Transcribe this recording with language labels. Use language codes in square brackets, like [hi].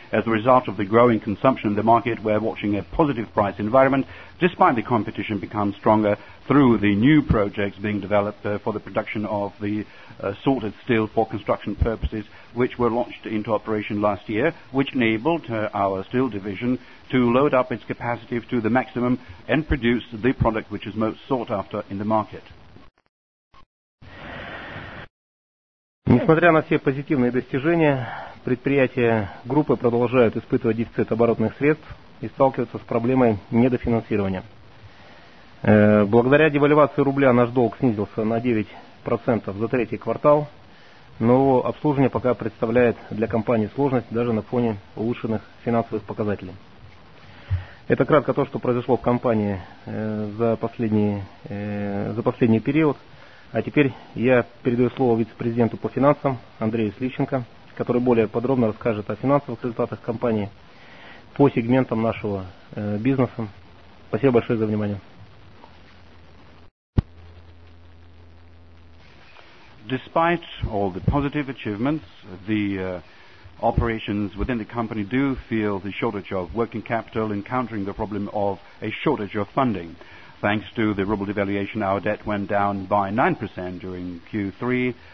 [en] As a result of the growing consumption in the market, we're watching a positive price environment, despite the competition becoming stronger through the new projects being developed for the production of the sorted steel for construction purposes, which were launched into operation last year, which enabled our steel division to load up its capacity to the maximum and produce the product which is most sought after in the market. [ru] Несмотря на все позитивные достижения, предприятия группы продолжают испытывать дефицит оборотных средств и сталкиваются с проблемой недофинансирования. Благодаря девальвации рубля наш долг снизился на 9% за третий квартал, но его обслуживание пока представляет для компании сложность даже на фоне улучшенных финансовых показателей. Это кратко то, что произошло в компании за последний период. А теперь я передаю слово вице-президенту по финансам Андрею Слищенко, который более подробно расскажет о финансовых результатах компании по сегментам нашего бизнеса. Спасибо большое за внимание. [en] Despite all the positive achievements, the operations within the company do feel the shortage of working capital, encountering the problem of a shortage of funding. Thanks to the ruble devaluation, our debt went down by 9% during Q3.